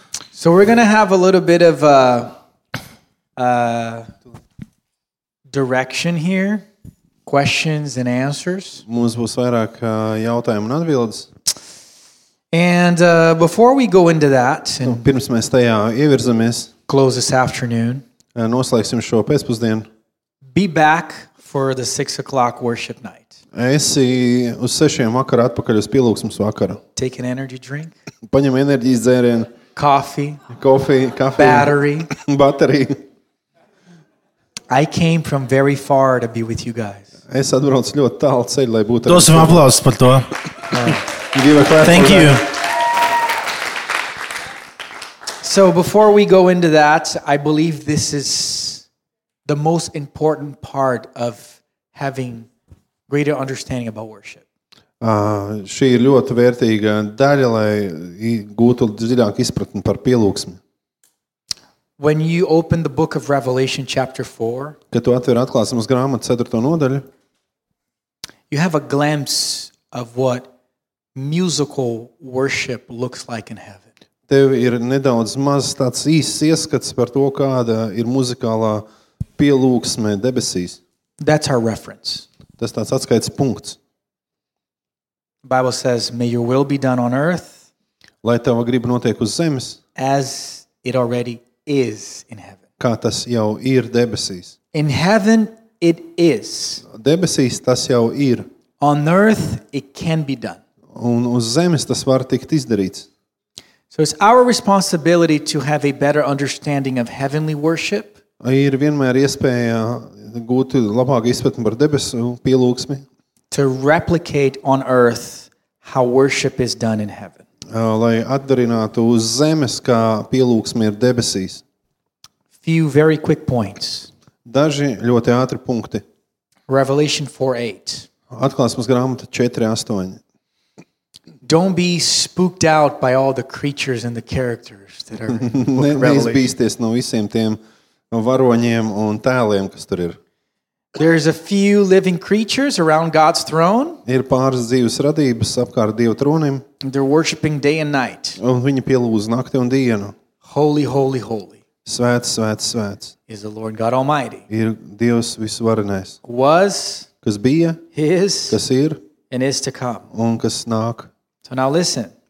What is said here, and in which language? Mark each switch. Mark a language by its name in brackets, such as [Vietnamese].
[English] So we're going to have a little bit of direction here, questions and answers. [Latvian] Mums būs vairāk jautājumu un atbildes. [English] And before we go into that, and [Latvian] pirms mēs tajā ievirzamies, [English] close this afternoon, [Latvian] noslēgsim šo pēcpusdienu. [English] Be back for the 6 o'clock worship night. [Latvian] Esi uz 6:00 vakarā atpakaļ uz pielūgsmes vakara. [English] Take an energy drink. [Latvian] Paņem enerģijas dzērienu. [English] Coffee. Battery. [Latvian] Baterija. [English] I came from very far to be with you guys. [Latvian] Es atbraucu ļoti tālu ceļu, lai būtu ar jums. Dosim aplausus par to. [English] Thank you. So before we go into that, I believe this is the most important part of having greater understanding about worship. [Latvian] Šī ir ļoti vērtīga daļa, lai gūtu dziļāku izpratni par pielūgsmi. [English] When you open the book of Revelation chapter 4, [Latvian] kad tu atver atklāsmes grāmatu 4. Nodaļu, [English] you have a glimpse of what musical worship looks like in heaven. [Latvian] Tev ir nedaudz mazs tāds īss ieskats par to, kāda ir muzikālā pielūgsme debesīs. [English] That's our reference. [Latvian] Tas tāds atskaites punkts. [English] The Bible says, may your will be done on earth, [Latvian] lai tava griba notiek uz zemes, [English] as it already is in heaven. [Latvian] Kā tas jau ir debesīs. [English] In heaven, it is. [Latvian] Debesīs tas jau ir. [English] On earth, it can be done. [Latvian] Un uz zemes tas var tikt izdarīts. [English] So it's our responsibility to have a better understanding of heavenly worship. [Latvian] Ir vienmēr iespēja gūt labāku izpratni par debesu pielūgsmi. [English] To replicate on earth how worship is done in heaven. [Latvian] Lai atdarinātu uz zemes, kā pielūgsme ir debesīs. [English] Few very quick points. [Latvian] Daži ļoti ātri punkti. [English] Revelation 4:8. [Latvian] Atklāsmes grāmata 4:8. [English] Don't be spooked out by all the creatures and the characters that are in Revelation. [Latvian] Neizbīsties no visiem tiem varoņiem un tēliem, kas tur ir. [English] There's a few living creatures around God's throne. [Latvian] Ir pāris dzīves radības apkārt Dieva trūnim. [English] They're worshiping day and night. [Latvian] Un viņi pielūdz nakti un dienu. [English] Holy, holy, holy. [Latvian] Svēts, svēts, svēts. [English] Is the Lord God Almighty. [Latvian] Ir Dievs visvarenais. [English] Was. [Latvian] Kas bija. [English] His. [Latvian] Kas ir. [English] And is to come. [Latvian] Un kas nāk. [English] So now listen.